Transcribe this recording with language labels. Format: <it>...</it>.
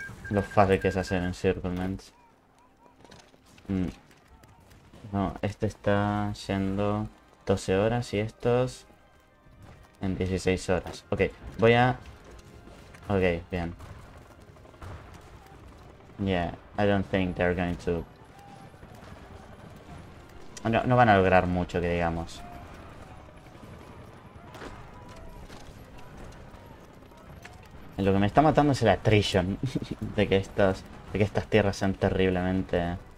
<es>Lo fácil que es hacer encirclements. No, este está yendo 12 horas y estos en 16 horas. Ok, voy a... Ok, bien.</es> <en>Yeah, I don't think they're going to...</en> <es>No van a lograr mucho, que digamos. Lo que me está matando es el attrition. de que estas tierras sean terriblemente...</es>